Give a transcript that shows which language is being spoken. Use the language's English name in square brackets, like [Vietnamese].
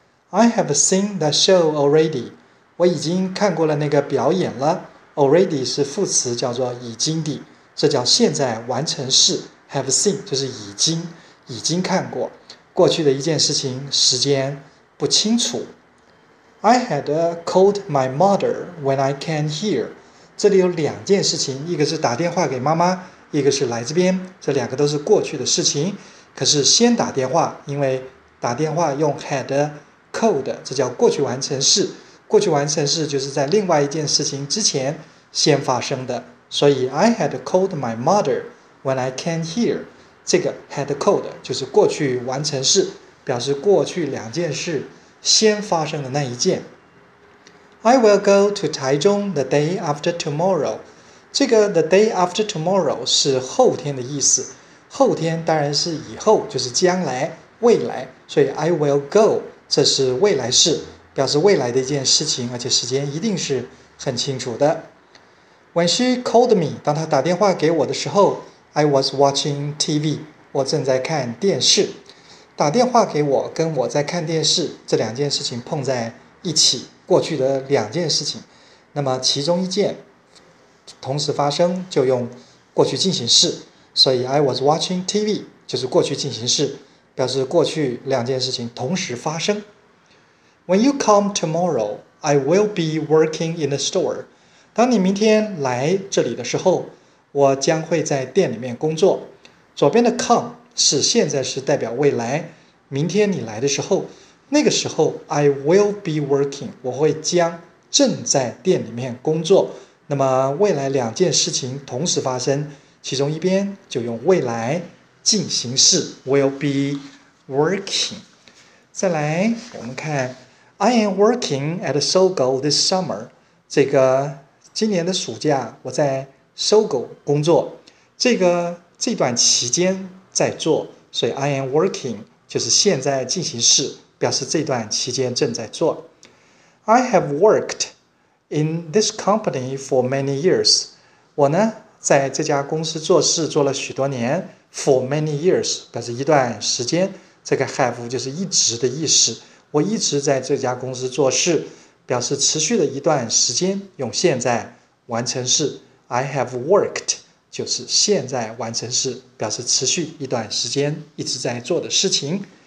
[English] I have seen the show already [Chinese] 我已经看过了那个表演了。 Already 是副词，叫做已经的，这叫现在完成式。 Have seen 就是已经看过。过去的一件事情，时间不清楚。 [English] I had called my mother when I came here. [Chinese] 这里有两件事情，一个是打电话给妈妈，一个是来这边，这两个都是过去的事情。可是先打电话，因为打电话用 had called， 这叫过去完成式。过去完成式就是在另外一件事情之前先发生的。 [English] 所以 I had called my mother when I came here. [Chinese] 这个 had called 就是过去完成式，表示过去两件事先发生的那一件。 [English] I will go to Taichung the day after tomorrow. [Chinese] 这个 the day after tomorrow 是后天的意思，后天当然是以后，就是将来未来，所以 I will go 这是未来式，表示未来的一件事情，而且时间一定是很清楚的。 [English] When she called me [Chinese] 当她打电话给我的时候， [English] I was watching TV [Chinese] 我正在看电视。打电话给我跟我在看电视，这两件事情碰在一起，过去的两件事情，那么其中一件同时发生就用过去进行式，所以 [English] I was watching TV [Chinese] 就是过去进行式，表示过去两件事情同时发生。 [English] When you come tomorrow I will be working in the store. [Chinese] 当你明天来这里的时候，我将会在店里面工作。左边的 come是现在是代表未来，明天你来的时候，那个时候 [English] I will be working， [Chinese] 我会将正在店里面工作。那么未来两件事情同时发生，其中一边就用未来进行式 will be working。再来我们看 [English] I am working at SOGO this summer， [Chinese] 这个今年的暑假我在 SOGO 工作，这段期间在做，所以 [English] I am working [Chinese] 就是现在进行式，表示这段期间正在做。 [English] I have worked in this company for many years. [Chinese] 我呢在这家公司做事做了许多年。 [English] For many years [Chinese] 表示一段时间，这个 have 就是一直的意思，我一直在这家公司做事，表示持续的一段时间，用现在完成式。 [English] I have worked [Chinese] 就是现在完成式，表示持续一段时间一直在做的事情。